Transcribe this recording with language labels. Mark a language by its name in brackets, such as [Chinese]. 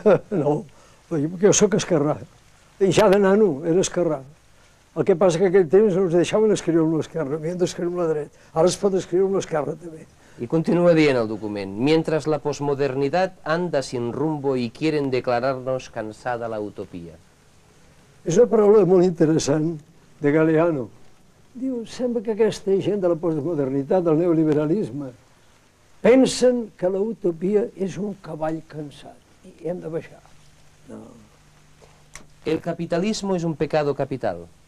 [Catalan] No, perquè jo sóc esquerrà. I ja de nano era esquerrà. El que passa que aquell temps no us deixaven escriure amb l'esquerra, havien d'escriure amb la dreta. Ara es pot escriure amb l'esquerra, també. I continua dient el document. [Spanish] Mientras la posmodernidad anda sin rumbo y quieren declararnos cansada la utopía. [Catalan] És una paraula molt interessant de Galeano. Diu, sembla que aquesta gent de la postmodernitat, del neoliberalisme, pensen que la utopia és un cavall cansat i hem de baixar. No. El capitalisme és un [Spanish] pecado capital.